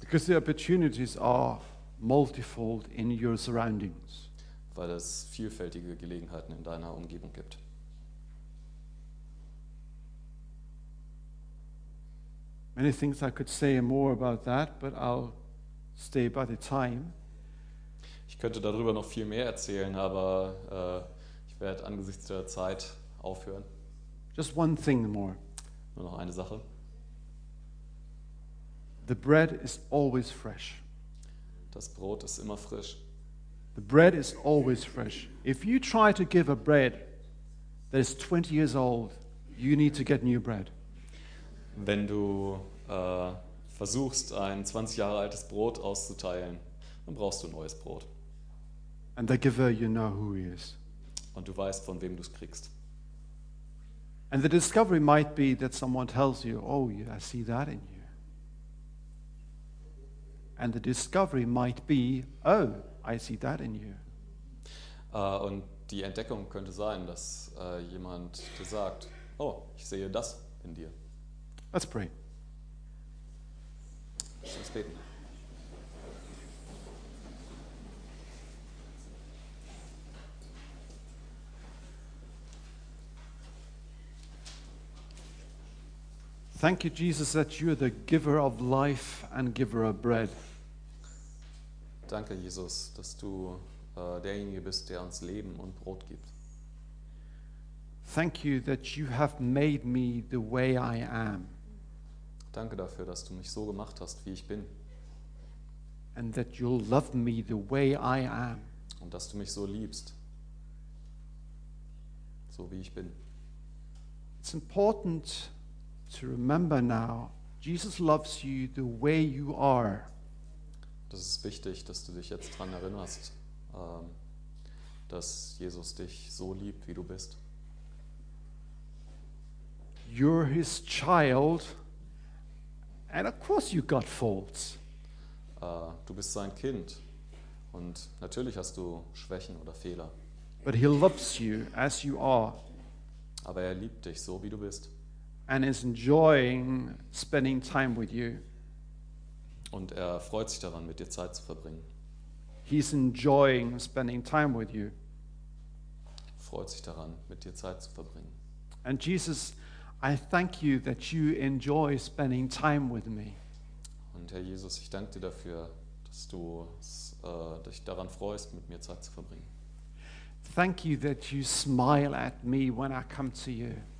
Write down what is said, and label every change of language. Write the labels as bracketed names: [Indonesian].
[English] Because the opportunities are multifold in your surroundings. [German] Weil es vielfältige Gelegenheiten in deiner Umgebung gibt. [English] Many things I could say more about that, but I'll stay by the time. [German] Ich könnte darüber noch viel mehr erzählen, aber ich werde angesichts der Zeit aufhören. [English] Just one thing more. [German] Nur noch eine Sache. [English] The bread is always fresh. [German] Das Brot ist immer frisch. [English] The bread is always fresh. If you try to give a bread that is 20 years old, you need to get new bread. [German] Wenn du versuchst, ein 20 Jahre altes Brot auszuteilen, dann brauchst du neues Brot. [English] And the giver, you know who he is. [German] Und du weißt, von wem du es kriegst. [English] And the discovery might be that someone tells you, oh, yeah, I see that in you. And the discovery might be, oh, I see that in you. [German] Und die Entdeckung könnte sein, dass jemand dir sagt, oh, ich sehe das in dir. [English] Let's pray. Let's pray. Thank you, Jesus, that you are the giver of life and giver of bread. [German] Danke, Jesus, dass du derjenige bist, der uns Leben und Brot gibt. [English] Thank you that you have made me the way I am. [German] Danke dafür, dass du mich so gemacht hast, wie ich bin. [English] And that you'll love me the way I am. [German] Und dass du mich so liebst, so wie ich bin. [English] It's important to remember now, Jesus loves you the way you are. [German] Das ist wichtig, dass du dich jetzt dran erinnerst, dass Jesus dich so liebt, wie du bist. [English] You're his child. And of course you got faults. [German] Du bist sein Kind und natürlich hast du Schwächen oder Fehler. [English] But he loves you as you are. [German] Aber er liebt dich so wie du bist. [English] And is enjoying spending time with you. [German] Und er freut sich daran, mit dir Zeit zu verbringen. [English] He's enjoying spending time with you. [German] Freut sich daran, mit dir Zeit zu verbringen. [English] And Jesus, I thank you that you enjoy spending time with me. [German] Und Herr Jesus, ich danke dir dafür, dass du dich daran freust, mit mir Zeit zu verbringen. [English] Thank you that you smile at me when I come to you.